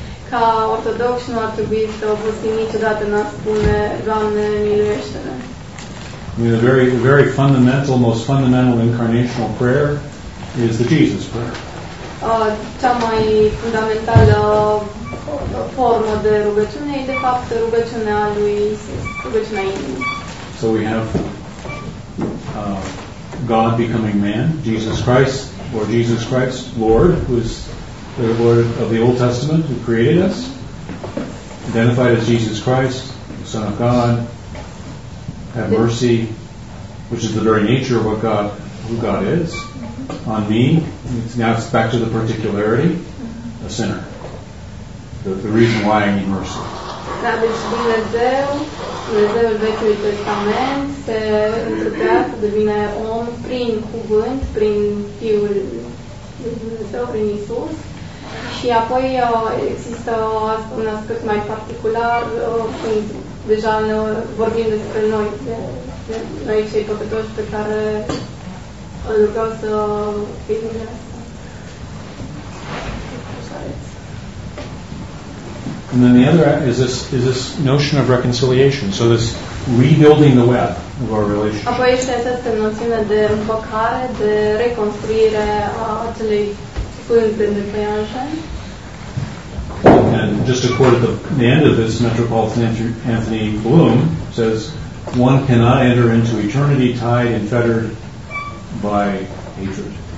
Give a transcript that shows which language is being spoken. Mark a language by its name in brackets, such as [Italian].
[Romanian] Ca ortodox nu ar trebui să obosim niciodată în a spune, Doamne, miluiește-ne. [English] The very, very fundamental, most fundamental incarnational prayer is the Jesus prayer. [Romanian] Cea mai fundamentală formă de rugăciune e, de fapt, rugăciunea lui Iisus, rugăciunea inimii. [English] So we have God becoming man, Jesus Christ, or Jesus Christ, Lord, who is the Lord of the Old Testament, who created us, identified as Jesus Christ, the Son of God, have mercy, which is the very nature of who God is, on me. Now it's back to the particularity, a sinner. The reason why I need mercy. [Romanian] Da, deci Dumnezeul Vechiului Testament se întâlnea să devine om prin cuvânt, prin Fiul lui Dumnezeu, prin Iisus. Și apoi există un aspect mai particular, când deja vorbim despre noi, de noi cei păcătoși pe care îl rugăm să fie Dumnezeu. [English] And then the other is this notion of reconciliation. So this rebuilding the web of our relationship. [Romanian] Apoi este această noțiune de împăcare, de reconstruire a acelei pânze de păianjen. [English] And just a quote at the end of this, Metropolitan Anthony Bloom says, one cannot enter into eternity tied and fettered by hatred.